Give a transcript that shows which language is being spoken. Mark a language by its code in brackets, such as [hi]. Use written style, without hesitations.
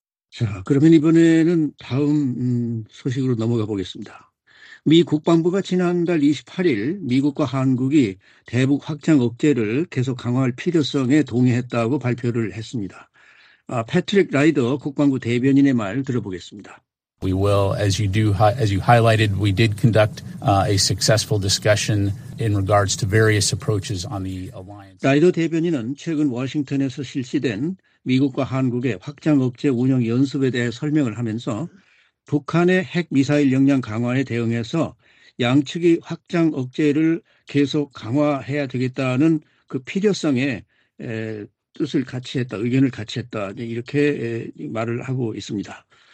[ko] 자, 그러면 이번에는 다음 소식으로 넘어가 보겠습니다. 미 국방부가 지난달 28일 미국과 한국이 대북 확장 억제를 계속 강화할 필요성에 동의했다고 발표를 했습니다. 패트릭 라이더 국방부 대변인의 말 들어보겠습니다. [en] We will, as you highlighted, we did conduct a successful discussion in regards to various approaches on the alliance. [ko] 라이더 대변인은 최근 워싱턴에서 실시된 미국과 한국의 확장 억제 운영 연습에 대해 설명을 하면서 북한의 핵미사일 역량 강화에 대응해서 양측이 확장 억제를 계속 강화해야 되겠다는 그 필요성에 뜻을 같이 했다, 의견을 같이 했다 이렇게 말을 하고 있습니다.